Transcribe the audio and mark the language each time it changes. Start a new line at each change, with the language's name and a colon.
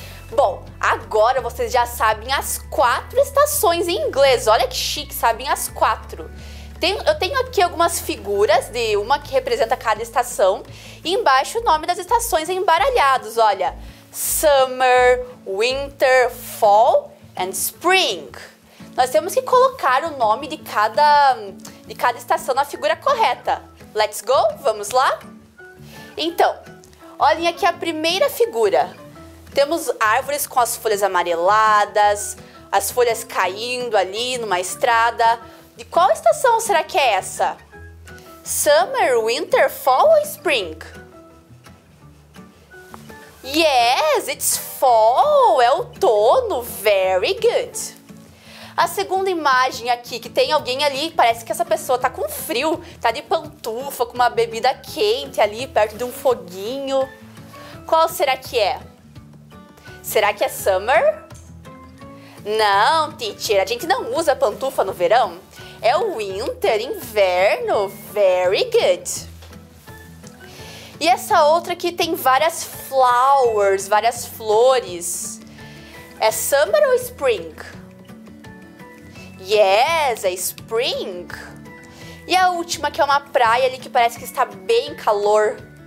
Portuguese: Bom, agora vocês já sabem as quatro estações em inglês. Olha que chique, sabem as quatro. Eu tenho aqui algumas figuras de uma que representa cada estação. E embaixo o nome das estações embaralhados, olha.
English: Summer, Winter, Fall and Spring.
Portuguese: Nós temos que colocar o nome de cada estação na figura correta.
English: Let's go,
Portuguese: vamos lá? Então, olhem aqui a primeira figura. Temos árvores com as folhas amareladas, as folhas caindo ali numa estrada. De qual estação será que é essa? Summer, Winter, Fall ou Spring?
English: Yes, it's Fall,
Portuguese: é outono,
English: very good.
Portuguese: A segunda imagem aqui, que tem alguém ali, parece que essa pessoa tá com frio, tá de pantufa, com uma bebida quente ali, perto de um foguinho. Qual será que é? Será que é summer? Não, teacher, a gente não usa pantufa no verão. É o winter, inverno,
English: very good.
Portuguese: E essa outra aqui tem várias flowers, várias flores. É summer ou spring?
English: Yes,
Portuguese: é spring. E a última, que é uma praia ali que parece que está bem calor.